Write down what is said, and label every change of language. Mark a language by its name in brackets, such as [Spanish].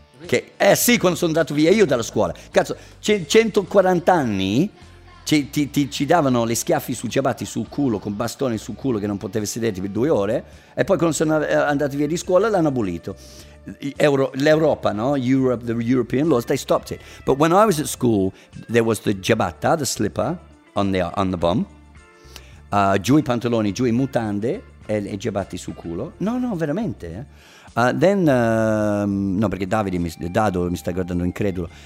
[Italian] Che, sì, quando sono andato via io dalla scuola. Cazzo, 140 anni ci davano le schiaffi su ciabatti sul culo, con bastone sul culo che non potevi sederti per 2 ore, e poi quando sono andati via di scuola l'hanno abolito. L'Europa, no? [English] Europe, the European laws, they stopped it. But when I was at school, there was the ciabatta, the slipper, on the bum, [Italian] giù i pantaloni, giù i mutande, e ciabatti sul culo. No, veramente, no, perché Dado mi sta guardando incredulo.